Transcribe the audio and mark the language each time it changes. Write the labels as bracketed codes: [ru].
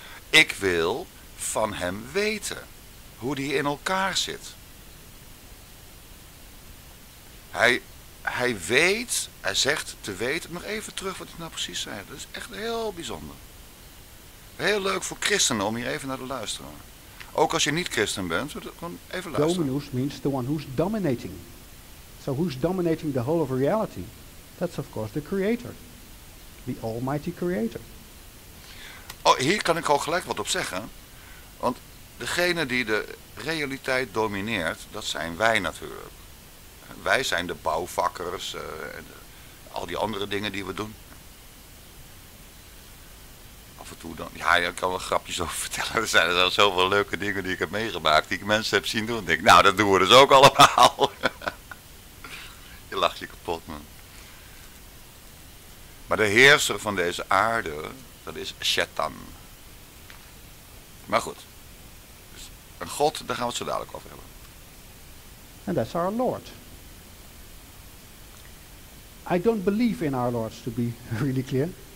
[nl] Ik wil van hem weten hoe die in elkaar zit. Hij weet, hij zegt te weten, nog even terug wat ik nou precies zei. Dat is echt heel bijzonder. Heel leuk voor christenen om hier even naar te luisteren. Ook als je niet christen bent, gewoon even luisteren. [en] Dominus means the one who's dominating. So who's dominating the whole of reality? That's of course the Creator. The Almighty Creator. [nl] Oh, hier kan ik al gelijk wat op zeggen. Want degene die de realiteit domineert, dat zijn wij natuurlijk. Wij zijn de bouwvakkers en al die andere dingen die we doen. Af en toe dan... Ja, ik kan wel grapjes over vertellen. Er zijn al zoveel leuke dingen die ik heb meegemaakt, die ik mensen heb zien doen. Ik denk, nou, dat doen we dus ook allemaal. Je lacht je kapot, man. Maar de heerser van deze aarde, dat is Shetan. Maar goed. Dus een god, daar gaan we het zo dadelijk over hebben. [en] And that's our Lord. I don't believe in our Lord, to be really clear.